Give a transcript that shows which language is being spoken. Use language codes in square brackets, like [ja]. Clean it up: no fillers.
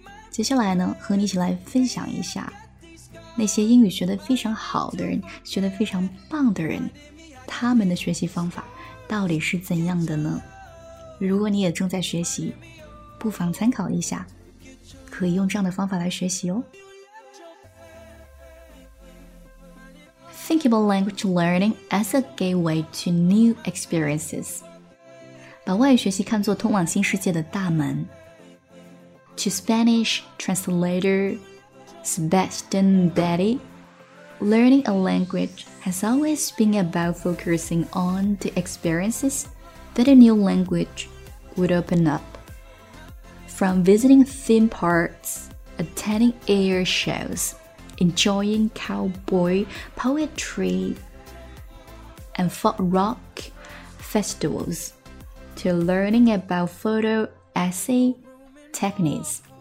[zh] 接下来呢，和你一起来分享一下那些英语学得非常好的人，学得非常棒的人，他们的学习方法到底是怎样的呢？如果你也正在学习，不妨参考一下，可以用这样的方法来学习哦。 [en] Think about language learning as a gateway to new experiences. [zh] 把外语学习看作通往新世界的大门。 [en] To Spanish translator Sebastian Betty, learning a language has always been about focusing on the experiences that a new language would open up. From visiting theme parks, attending air shows,enjoying cowboy poetry and folk rock festivals to learning about photo essay techniques.